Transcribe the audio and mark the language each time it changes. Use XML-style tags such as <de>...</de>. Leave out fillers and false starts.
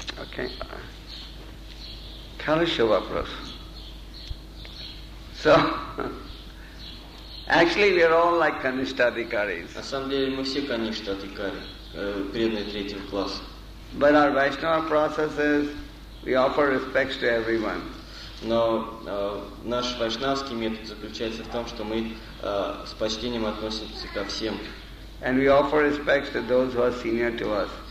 <ru>Okay. Хороший вопрос.</ru> <en>So, actually, we are all like kanishtha adhikaris.</en> <ru>На самом деле мы все kanishtha adhikari, преданные третьего класса.</ru> <en>But our Vaishnava process is we offer respects to everyone.</en> <ru>Но наш вайшнавский метод заключается в том, что мы с почтением относимся ко всем.</ru> <en>And we offer respects to those who are senior to us.</en>